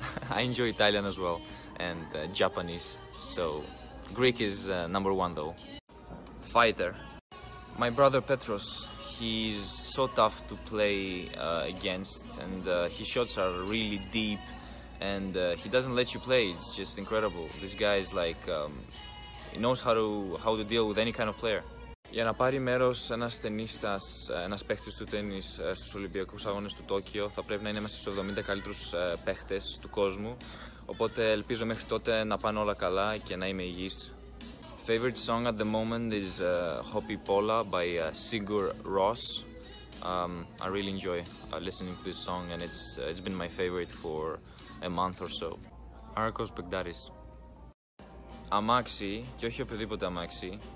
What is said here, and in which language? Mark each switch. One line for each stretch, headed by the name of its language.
English: I enjoy Italian as well and Japanese, so Greek is number one though. Fighter. My brother Petros, he's so tough to play against and his shots are really deep and he doesn't let you play, it's just incredible. This guy is like, he knows how to deal with any kind of player.
Greek: Για να πάρει μέρος ένας τενίστας, ένας παίχτης του τένις στους Ολυμπιακούς Αγώνες του Τόκιο, θα πρέπει να είναι μέσα στους 70 καλύτερους παίχτες του κόσμου. Οπότε ελπίζω μέχρι τότε να πάνε όλα καλά και να είμαι υγιής.
English: Favorite song at the moment is Hopi Pola by Sigur Rós. I really enjoy listening to this song and it's been my favorite for a month or so.
Greek: Άρκος Μπεγδάρης. Αμάξι, και όχι οποιοδήποτε αμάξι.